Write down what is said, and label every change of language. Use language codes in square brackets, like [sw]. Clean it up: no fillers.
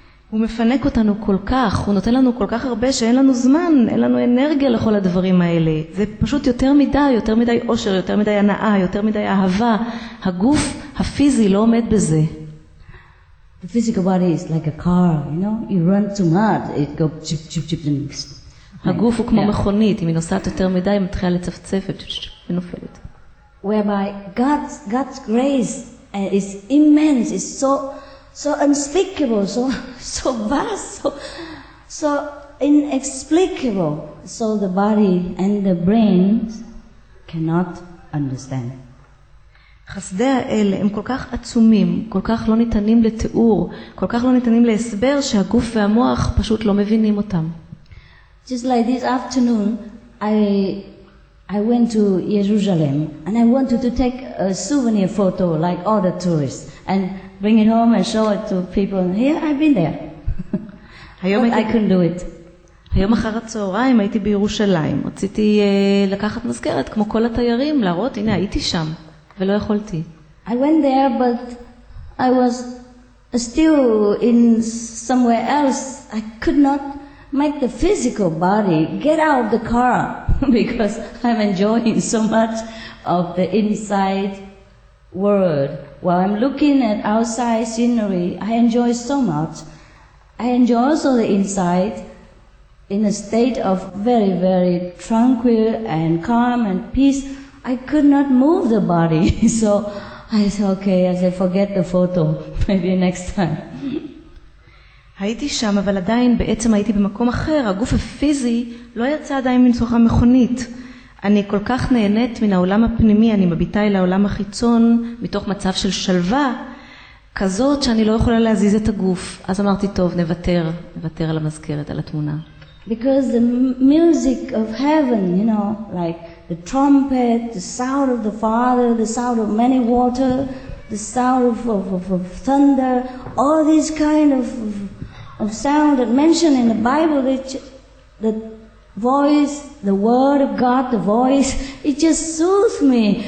[he] הוא מפנק אותנו כל כך, הוא נותן לנו כל כך הרבה שאין לנו זמן, אין לנו אנרגיה לכל הדברים האלה. זה פשוט יותר מדי, יותר מדי עושר, יותר מדי הנאה, יותר מדי אהבה. הגוף הפיזי לא עומד בזה. [en] The physical body is like a car, you know? You run too much, it goes chip, chip, chip, and it's... [he] הגוף הוא כמו מכונית, אם היא נוסעת יותר מדי, היא מתחילה לצפצפת, ונופלת. [en] Whereby God's grace is immense, is so... so unspeakable, so vast, so inexplicable, so the body and the brain cannot understand. [he] חסדי האל הם כל כך עצומים, כל כך לא ניתנים לתיאור, כל כך לא ניתנים להסבר, שהגוף והמוח פשוט לא מבינים אותם. [en] Just like this afternoon, I went to Jerusalem and I wanted to take a souvenir photo like all the tourists and bring it home and show it to people. Here, I've been there. I couldn't do it. [he] היום אחר הצהריים הייתי בירושלים. רציתי לקחת מזכרת כמו כל התיירים, להראות, הנה, הייתי שם, ולא יכולתי. [en] I went there, but I was still in somewhere else. I could not make the physical body get out of the car because I'm enjoying so much of the inside world. While I'm looking at outside scenery, I enjoy so much. I enjoy also the inside in a state of very, very tranquil and calm and peace. I could not move the body. So I said, okay, I said, forget the photo. Maybe next time. [he] הייתי שם, אבל עדיין בעצם הייתי במקום אחר. הגוף הפיזי לא יצא עדיין מנצוחה מכונית. אני כל כך נהנית מן העולם הפנימי, אני מביטה אל העולם החיצון מתוך מצב של שלווה, כזאת שאני לא יכולה להזיז את הגוף. אז אמרתי, טוב, נוותר, נוותר על המזכרת, על התמונה. [en] Because the music of heaven, you know, like the trumpet, the sound of the father, the sound of many water, the sound of thunder, all these kind of sound that mentioned in the Bible, that voice, the word of God, the voice, it just soothed me.